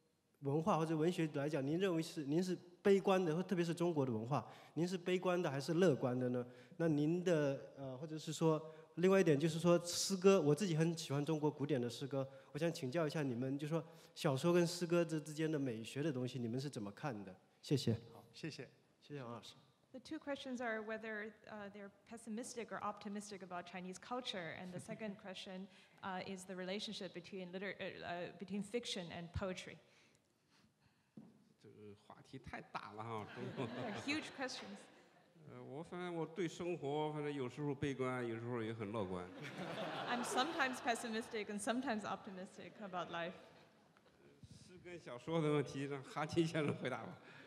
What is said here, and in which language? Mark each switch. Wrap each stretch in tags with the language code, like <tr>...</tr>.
<zh>您两位是都是文学的大家，但我自我介绍一下，简单自我介绍。我反正我是，就是非常简单，就是说我是一个学理工科出来的人，但是很荣幸能够去听很多文学的课。那我也特别喜欢您的书，我自己全套我都买了。所以我的想法就是说，我想请教，就是说您写了这么多关于文学的东西，您对于就是说文化或者文学来讲，您认为是您是。悲观的或特别是中国的文化，您是悲观的还是乐观的呢？那您的或者是说另外一点就是说诗歌，我自己很喜欢中国古典的诗歌，我想请教一下你们，就是说小说跟诗歌之间的美学的东西，你们是怎么看的？谢谢。好，谢谢。谢谢王老师。</zh> <en>The two questions are whether they're pessimistic or optimistic about Chinese culture, and the second question is the relationship between between fiction and poetry. They're huge questions.</en> <zh>我对生活反正有时候悲观，有时候也很乐观。</zh> <en>I'm sometimes pessimistic and sometimes optimistic about life.</en> <zh>诗跟小说的问题，让哈金先生回答吧。</zh>